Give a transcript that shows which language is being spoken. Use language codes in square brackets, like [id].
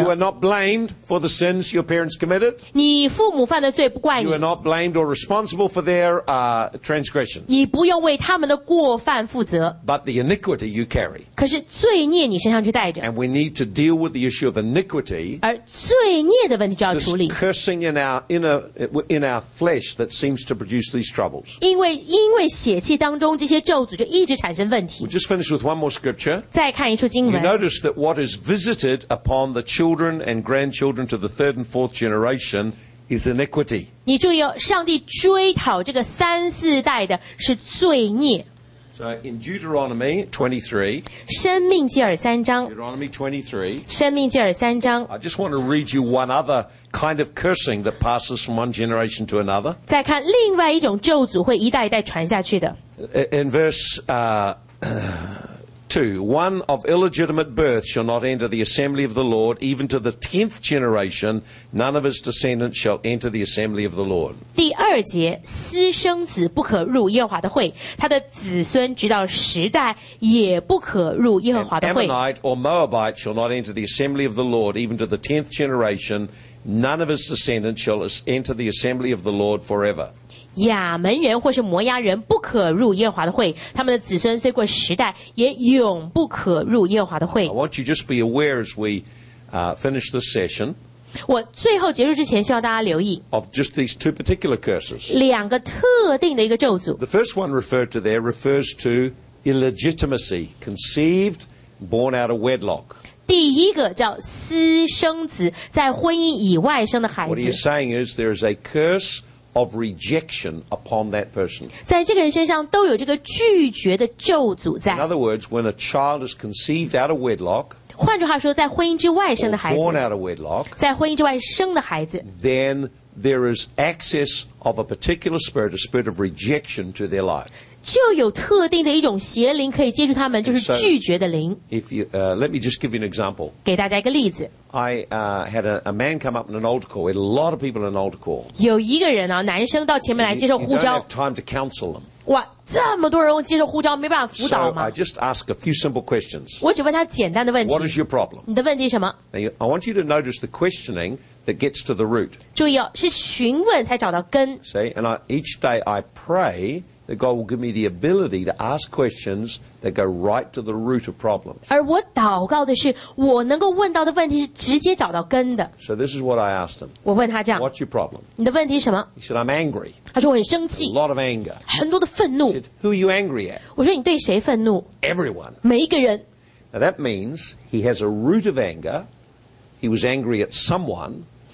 [en] You are not blamed for the sins your parents committed. [zh] 你父母犯的罪不怪你。 [en] You are not blamed or responsible for their transgressions. [zh] 你不用为他们的过犯负责。 [en] But the iniquity you carry. [zh] 可是罪孽你身上去带着。 [en] And we need to deal with the issue of iniquity. [zh] 而罪孽的问题就要处理。 [en] This cursing in our flesh that seems to produce these troubles. [zh] 因为血气当中这些咒诅就一直产生问题。 [en] We'll just finish with one more scripture. You notice that what is visited upon the children and grandchildren to the third and fourth generation is iniquity. [zh] 你注意哦，上帝追讨这个三四代的是罪孽。 [en] So in Deuteronomy 23, [zh] 生命记二三章。 [en] Deuteronomy 23, [zh] 生命记二三章。 [en] I just want to read you one other kind of cursing that passes from one generation to another. [zh] 再看另外一种咒诅会一代一代传下去的。 [en] In verse, One of illegitimate birth shall not enter the assembly of the Lord, even to the tenth generation, none of his descendants shall enter the assembly of the Lord. [zh] 第二节，私生子不可入耶和华的会，他的子孙直到十代也不可入耶和华的会。 [en] Ammonite or Moabite shall not enter the assembly of the Lord, even to the tenth generation, none of his descendants shall enter the assembly of the Lord forever. [zh] 亚门人或是摩押人不可入耶和华的会，他们的子孙虽过十代，也永不可入耶和华的会。 [en] I want you just be aware as we finish this session. [zh] 我最后结束之前，希望大家留意 [en] of just these two particular curses. [zh] 两个特定的一个咒诅。 [en] The first one referred to there refers to illegitimacy, conceived, born out of wedlock. [zh] 第一个叫私生子，在婚姻以外生的孩子。 [en] What he is saying is there is a curse. Of rejection upon that person. [zh] 在这个人身上都有这个拒绝的咒诅在。 [en] In other words, when a child is conceived out of wedlock, [zh] 换句话说，在婚姻之外生的孩子 [en] or born out of wedlock, [zh] 在婚姻之外生的孩子 [en] then there is access of a particular spirit, a spirit of rejection to their life. [zh] 就有特定的一种邪灵可以接触他们，就是拒绝的灵。 [en] If you, let me just give you an example. [zh] 给大家一个例子。 [en] I had a man come up in an altar call. We had a lot of people in an altar call. [zh] 有一个人啊，男生到前面来接受呼召。 [en] You don't have time to counsel them. [zh] 哇，这么多人接受呼召，没办法辅导吗 [en] ？So I just ask a few simple questions. [zh] 我只问他简单的问题。 [en] What is your problem? [zh] 你的问题什么 [en] ？Now I want you to notice the questioning that gets to the root. [zh] 注意哦，是询问才找到根。 [en] See, and each day I pray. That God will give me the ability to ask questions that go right to the root of problems. [zh] 而我祷告的是，我能够问到的问题是直接找到根的。 [en] So this is what I asked him. [zh] 我问他这样。 [en] What's your problem? [zh] 你的问题是什么 [en] ？He said, "I'm angry." [zh] 他说我很生气。 [en] A lot of anger. [zh] 很多的愤怒。 [en] He said, "Who are you angry at?" [zh] 我说你对谁愤怒 [en] ？Everyone. [zh] 每一个人。 [en] Now that means he has a root of anger. He was angry at someone.